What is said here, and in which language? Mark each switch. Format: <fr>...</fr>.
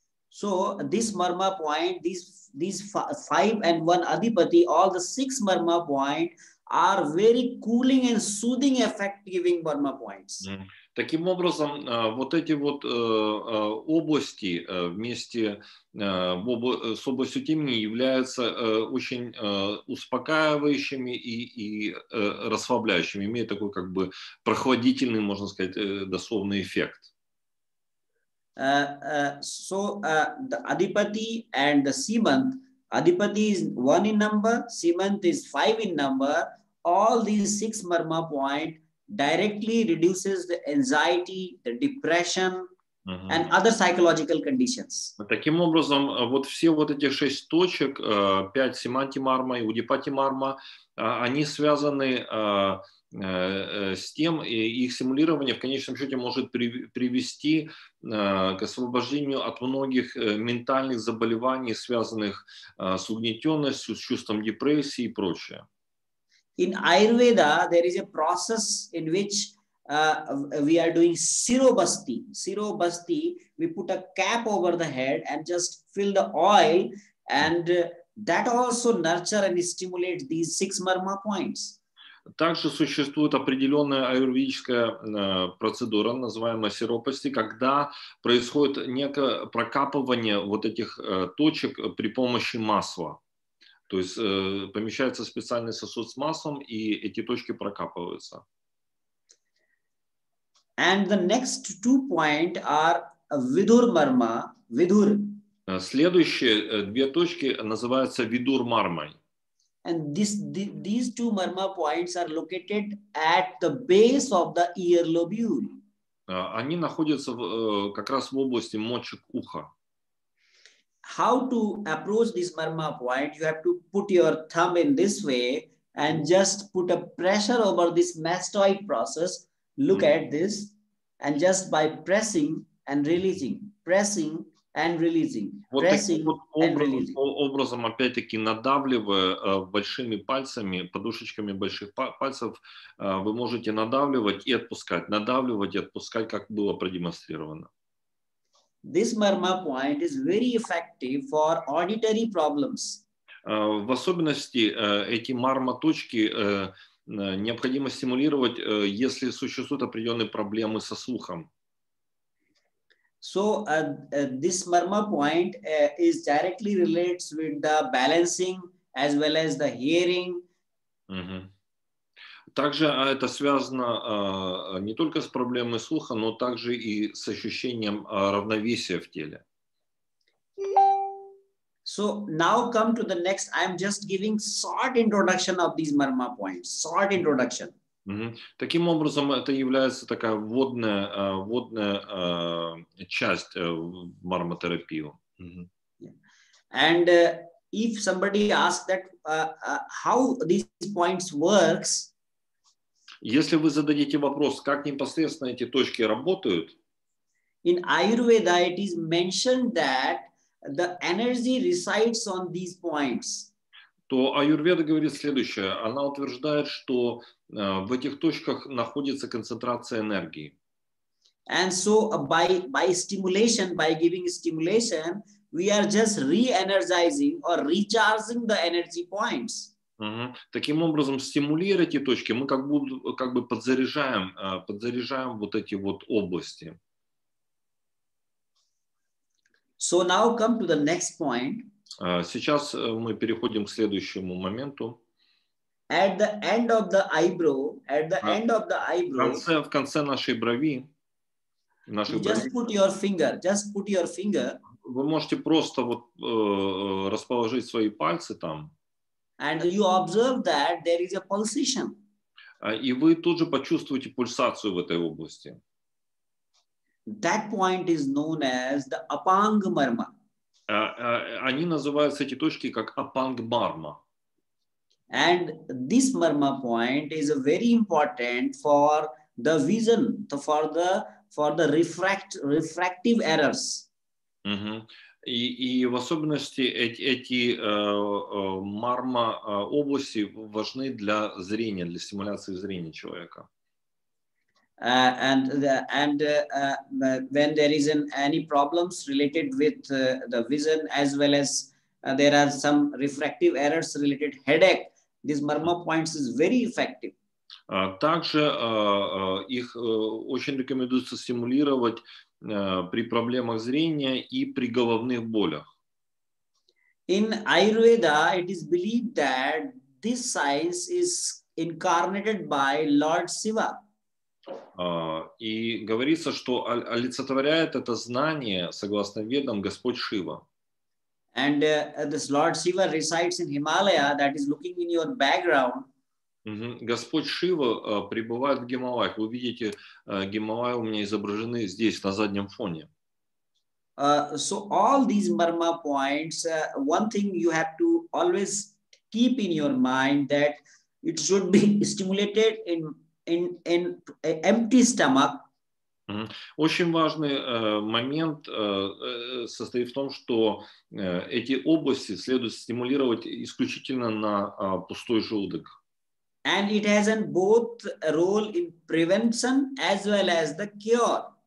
<en>So this marma point, these five and one adipati, all the six marma points are very cooling and soothing effect giving marma points. Mm-hmm.</en> <ru>Таким образом, вот эти вот области вместе с областью темени являются очень успокаивающими и расслабляющими, имеют такой как бы прохладительный, можно сказать, дословный эффект.</ru> <en>The Adipati and the Simant, Adipati is one in number, Simant is five in number, all these six marma points directly reduces the anxiety, the depression, and other psychological conditions.</en> <ru>Таким образом, вот все вот эти шесть точек, пять Симанти Марма и Удипати Марма, они связаны с тем, и их симулирование в конечном счете может привести к освобождению от многих ментальных заболеваний, связанных с угнетенностью, с чувством депрессии и прочее.</ru> <en>In Ayurveda, there is a process in which we are doing sirobasti. Sirobasti, we put a cap over the head and just fill the oil, and that also nurture and stimulate these six marma points.</en> <ru>Также существует определенная аюрведическая процедура, называемая сиропасти, когда происходит некое прокапывание вот этих точек при помощи масла. То есть помещается специальный сосуд с маслом, и эти точки прокапываются.</ru> <en>And the next two point are vidur marma, vidur.</en> <ru>Следующие две точки называются vidur marmai.</ru> <en>And these two marma points are located at the base of the ear lobule.</en> <ru>Они находятся как раз в области мочек уха.</ru> <en>How to approach this marma point? You have to put your thumb in this way and just put a pressure over this mastoid process. Look at this, and just by pressing and releasing,</en> <ru>вот</ru> <en>pressing</en> <ru>вот образом,</ru> <en>and releasing.</en> <ru>Образом опять-таки надавливая большими пальцами, подушечками больших пальцев, вы можете надавливать и отпускать, надавливать и отпускать, как было продемонстрировано.</ru> <en>This marma point is very effective for auditory problems.</en> <ru>В особенности эти марма точки необходимо стимулировать, если существуют определенные проблемы со слухом.</ru> <en>So this marma point is directly relates with the balancing as well as the hearing.</en> <ru>Также это связано не только с проблемой слуха, но также и с ощущением равновесия в теле.</ru> <en>So now come to the next. I'm just giving short introduction of these marma points. Short introduction.</en> <ru>Таким образом, это является такая вводная часть в марматерапию.</ru> <en>And if somebody asks that how these points works.</en> <ru>Если вы зададите вопрос, как непосредственно эти точки работают,</ru> <en>in Ayurveda it is mentioned that the energy resides on these points.</en> <ru>То Аюрведа говорит следующее. Она утверждает, что в этих точках находится концентрация энергии.</ru> <en>And so by stimulation, by giving stimulation, we are just re-energizing or recharging the energy points.</en> <ru>Таким образом, стимулируя эти точки, мы как бы подзаряжаем вот эти вот области.</ru> <en>So now come to the next point.</en> <ru>Сейчас мы переходим к следующему моменту.</ru> <en>At the end of the eyebrow, at the end of the eyebrow.</en> <ru>В конце нашей брови.</ru> <en>Just put your finger.</en> <ru>Вы можете просто вот расположить свои пальцы там.</ru> <en>And you observe that there is a pulsation.</en> <ru>И вы тут же почувствуете пульсацию в этой области.</ru> <en>That point is known as the apang marma.</en> <ru>Они называются эти точки как apang marma.</ru> <en>And this marma point is very important for the vision, for the refractive errors.</en> <ru>И в особенности эти Марма области важны для зрения, для стимуляции зрения человека.</ru> <en>And when there is any problems related with the vision, as well as there are some refractive errors related headache, this Marma points is very effective.</en> <ru>Также их очень рекомендуется стимулировать при проблемах зрения и при головных болях.</ru> <en>In Ayurveda, it is believed that this science is incarnated by Lord Shiva.</en> <ru>И говорится, что олицетворяет это знание, согласно ведам, Господь Шива.</ru> <en>And this Lord Shiva resides in Himalaya, that is looking in your background.</en> <ru>Господь Шива пребывает в Гималаях. Вы видите, Гималаи у меня изображены здесь, на заднем фоне.</ru> <en>So all these Marma points, one thing you have to always keep in your mind that it should be stimulated in empty stomach.</en> <ru>Очень важный момент состоит в том, что эти области следует стимулировать исключительно на пустой желудок.</ru> <en>And it has an both role in prevention as well as the cure.</en>